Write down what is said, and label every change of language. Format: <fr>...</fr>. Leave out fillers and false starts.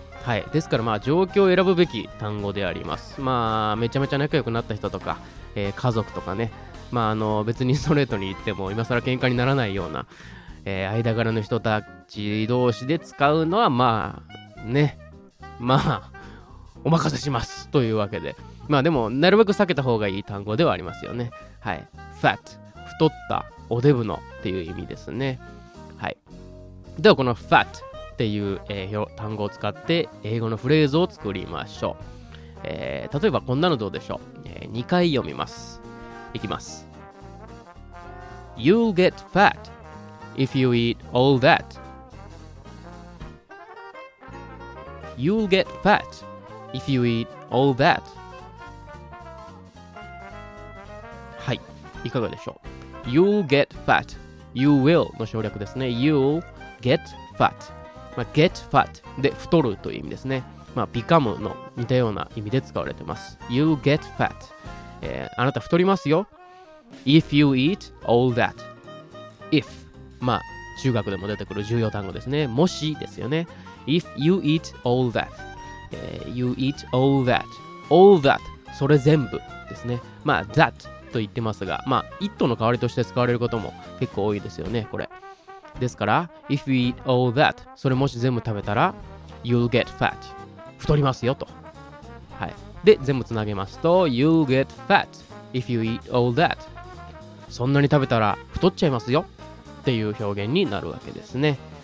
<ja>はい、ですから、まあ、状況を選ぶべき単語であります。まあ、めちゃめちゃ仲良くなった人とか、家族とかね、まあ、別にストレートに言っても今更喧嘩にならないような、間柄の人たち同士で使うのは、まあね、まあお任せしますというわけで、まあ、でもなるべく避けた方がいい単語ではありますよね。はい、 fat、 太った、おデブのっていう意味ですね。はい、ではこの fatっていう、単語を使って英語のフレーズを作りましょう。例えばこんなのどうでしょう。 2回読みます。いきます。</ja> <en>You'll get fat if you eat all that. You'll get fat if you eat all that.</en> <ja>はい、いかがでしょう。</ja> <en>You'll get fat. You will</en> <ja>の省略ですね。</ja> <en>You'll get fat。</en> <ja>まあ、get fat で太るという意味ですね。まあ、become の似たような意味で使われてます。</ja> <en>You get fat、</en> <ja>あなた太りますよ。</ja> <en>If you eat all that。</en> <ja>If、まあ、中学でも出てくる重要単語ですね。もしですよね。</ja> <en>If you eat all that、you eat all that。</en> <ja>All that、それ全部ですね。まあ、that と言ってますが、まあ、it の代わりとして使われることも結構多いですよね、これ。ですから、</ja> <en>If you eat all that、</en> <ja>それもし全部食べたら</ja> <en>You'll get fat、</en> <ja>太りますよと。はい、で全部つなげますと</ja> <en>You'll get fat if you eat all that、</en> <ja>そんなに食べたら太っちゃいますよっていう表現になるわけですね。</ja>